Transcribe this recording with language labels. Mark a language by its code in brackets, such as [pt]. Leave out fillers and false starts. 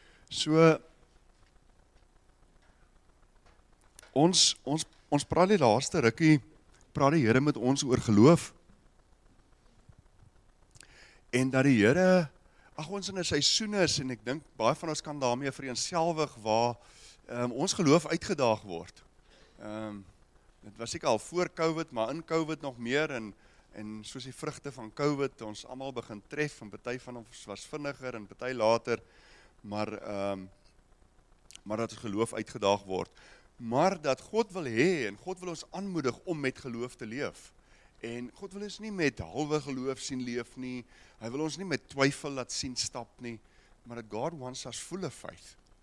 [af] So ons praat die laaste rukkie, praat die Here met ons oor geloof. En dat die Here, ag ons in 'n seisoen is en ek dink baie van ons kan daarmee vereenselwig waar ons geloof uitgedaag word. Dit was seker al voor COVID, maar in COVID nog meer en soos die vrugte van COVID ons allemaal begin tref en party van ons was vinniger en party later, maar dat ons geloof uitgedaag word. Maar dat God wil hê en God wil ons aanmoedig om met geloof te leef. En God wil ons nie met halwe geloof sien leef nie. Hy wil ons nie met twyfel laat sien stap nie. [en] Maar that God wants us full of faith.